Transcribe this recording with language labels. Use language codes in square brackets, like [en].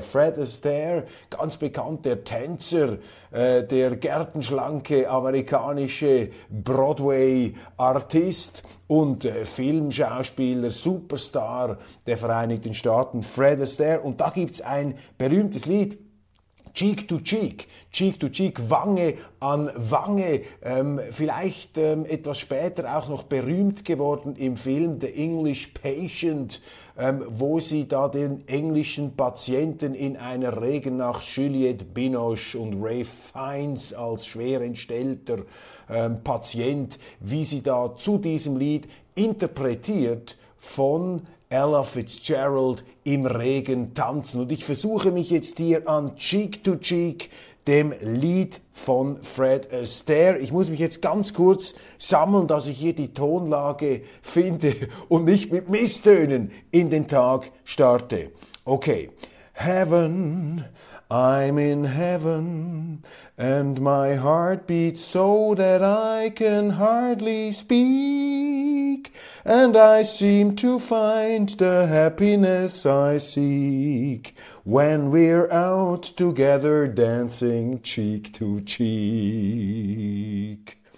[de] Fred Astaire, ganz bekannt, der Tänzer, der gärtenschlanke amerikanische Broadway-Artist und Filmschauspieler, Superstar der Vereinigten Staaten, Fred Astaire. Und da gibt es ein berühmtes Lied, Cheek to Cheek. Cheek to Cheek, Wange an Wange. Vielleicht etwas später auch noch berühmt geworden im Film The English Patient, wo sie da den englischen Patienten in einer Regennacht Juliette Binoche und Ralph Fiennes als schwer entstellter Patient, wie sie da zu diesem Lied interpretiert von Ella Fitzgerald im Regen tanzen. Und ich versuche mich jetzt hier an Cheek to Cheek, dem Lied von Fred Astaire. Ich muss mich jetzt ganz kurz sammeln, dass ich hier die Tonlage finde und nicht mit Misstönen in den Tag starte. Okay. [en] Heaven, I'm in heaven and my heart beats so that I can hardly speak and I seem to find the happiness I seek when we're out together dancing cheek to cheek.